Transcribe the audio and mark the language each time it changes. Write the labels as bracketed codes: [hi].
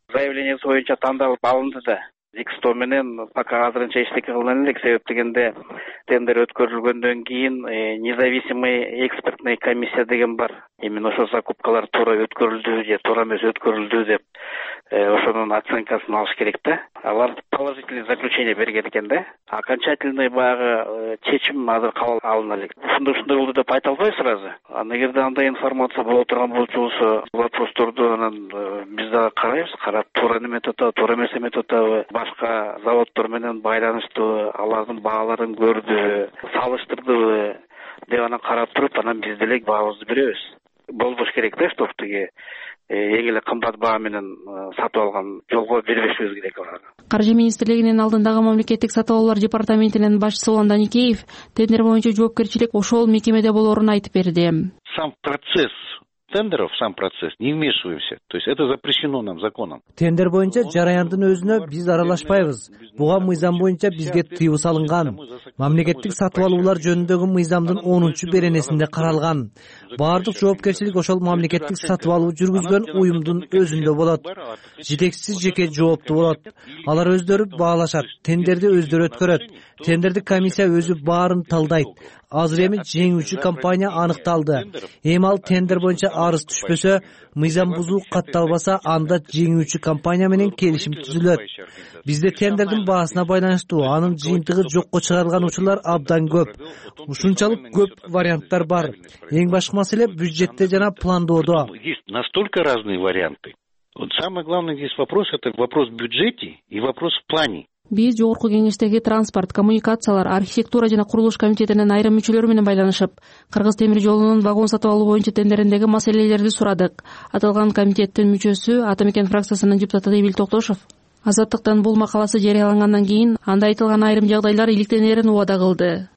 [ky] Заявлениеси боюнча тандалып алынды да. Экстон менен пока азырынча эчтеке кылган элек. Себеп дегенде тендер өткөрүлгөндөн кийин [ru] независимый экспертный комиссия [ky] деген бар. Эмин ошол закупкалар туура өткөрүлдү же туура эмес өткөрүлдү деп ошонун оценкасын алыш керек да. Алар [ru] положительный заключение [ky] берген экен да. Окончательный баягы чечим азыр кабыл алына элек. Ушундай ушундай болду деп айта албайбы сразу? Анан эгерде андай информация боло турган болчубулсо вопросторду анан биз дагы карайбыз, карап туура эмет атабы, туура эмес эмет атабы, башка заводдор менен байланыштыбы, алардын бааларын көрдүбү, салыштырдыбы деп анан карап туруп анан биз деле баабызды беребиз. Болбош керек да штофтуге эң эле кымбат баа менен сатып алган жолго бербешибиз керек аларга. Каржы министрлигинин алдындагы мамлекеттик сатып алуулар департаментинин башчысы Улан Даникеев тендер боюнча жоопкерчилик ошол мекемеде болорун айтып берди. [ru] Сам процесс тендеров, сам процесс, не вмешиваемся. То есть это запрещено нам законом. [ky] Тендер боюнча жараяндын өзүнө биз аралашпайбыз. Буга мыйзам боюнча бизге тыюу салынган. Мамлекеттик сатып алуулар жөнүндөгү мыйзамдын 10-чу беренесинде каралган. Бардык жоопкерчилик ошол мамлекеттик сатып алуу жүргүзгөн уюмдун өзүндө болот. Жетекчиси жеке жооптуу болот. Алар өздөрү баалашат, тендерди өздөрү өткөрөт. Тендердик комиссия өзү баарын талдайт. Азыр эми жеңүүчү компания аныкталды. Эми ал тендер боюнча арыз түшпөсө, мыйзам бузуу катталбаса, анда жеңүүчү компания менен келишим түзүлөт. Бизде тендердин баасына байланыштуу анын жыйынтыгы жокко чыгарылган учурлар абдан көп. Ушунчалык көп варианттар бар. Эң башкы маселе бюджетте жана пландоодо. [ru] Есть настолько разные варианты. Вот самый главный здесь вопрос это вопрос бюджета и вопрос в плане. [ky] Биз Жогорку Кеңештеги транспорт, коммуникациялар, архитектура жана курулуш комитетинин айрым мүчөлөрү менен байланышып, Кыргыз темир жолунун вагон сатып алуу боюнча тендериндеги маселелерди сурадык. Аталган комитеттин мүчөсү, Атамекен фракциясынын депутаты Эбил Токтошов Азаттыктан бул макаласы жарыялангандан кийин анда айтылган айрым жагдайлар иликтенерин убада кылды.